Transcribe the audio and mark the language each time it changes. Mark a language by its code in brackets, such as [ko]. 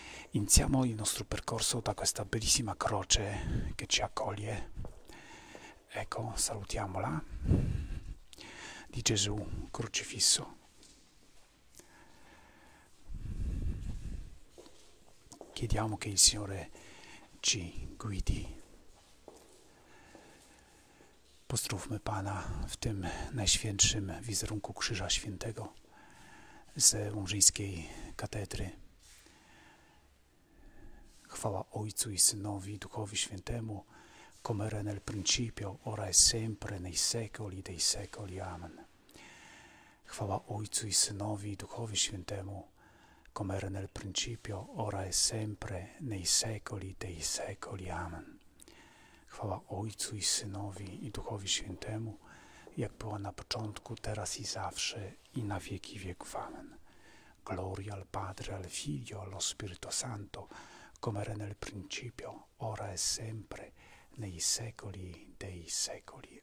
[it] Iniziamo il nostro percorso da questa bellissima croce che ci accoglie. Ecco, salutiamola, di Gesù crocifisso. Chiediamo che il Signore ci guidi. [pl] Pozdrówmy Pana w tym najświętszym wizerunku Krzyża Świętego z Łomżyńskiej Katedry. Chwała Ojcu i Synowi, i Duchowi Świętemu, [it] come era nel principio, ora e sempre, nei secoli dei secoli. Amen. [pl] Chwała Ojcu i Synowi, i Duchowi Świętemu, [it] come era nel principio, ora e sempre, nei secoli dei secoli. Amen. [pl] Chwała Ojcu i Synowi, i Duchowi Świętemu, jak była na początku, teraz i zawsze, i na wieki wieków. Amen. [it] Gloria al Padre, al Figlio, allo Spirito Santo, come era nel principio, ora e sempre, nei secoli dei secoli.